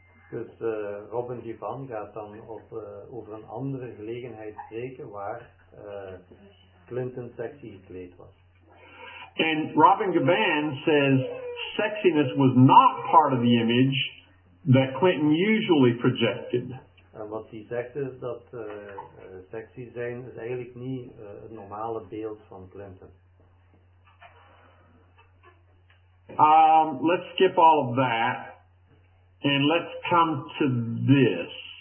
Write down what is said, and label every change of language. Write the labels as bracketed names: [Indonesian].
[Dutch] Dus Robin Gavan gaat dan over een andere gelegenheid spreken waar Clinton sexy gekleed was. [English] And Robin Gavan says sexiness was not part of the image that Clinton usually projected. [Dutch] En wat hij zegt is dat sexy zijn is eigenlijk niet het normale beeld van Clinton. [English] Let's skip all of that and let's come to this.